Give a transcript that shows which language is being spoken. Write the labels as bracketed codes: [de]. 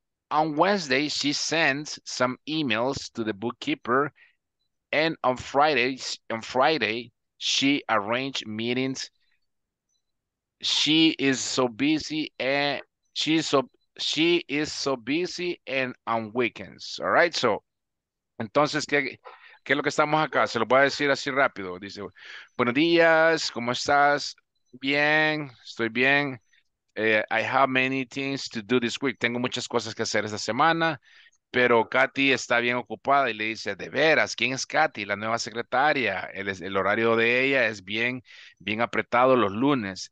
[en] On Wednesday, she sends some emails to the bookkeeper. And on Friday, she arranged meetings. She is so busy and she is so busy and on weekends. All right. [es] So, entonces, ¿qué es lo que estamos acá? Se lo voy a decir así rápido. Dice, buenos días, ¿cómo estás? Bien, estoy bien. [en] I have many things to do this week. [es] Tengo muchas cosas que hacer esta semana, pero Kathy está bien ocupada y le dice, de veras, ¿quién es Kathy? La nueva secretaria. El horario de ella es bien, bien apretado los lunes.